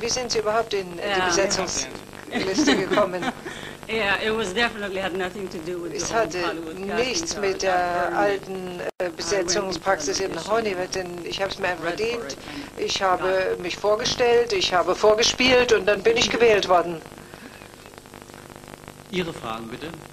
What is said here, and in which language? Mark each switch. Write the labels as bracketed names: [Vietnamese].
[German] Wie sind Sie überhaupt in die Besetzungsliste gekommen? [English] Yeah, it was definitely had nothing to do with [German] es hatte nichts mit der alten Besetzungspraxis in Hollywood, denn ich habe es mir einfach verdient. Ich habe mich vorgestellt, ich habe vorgespielt und dann bin ich gewählt worden. Ihre Fragen bitte.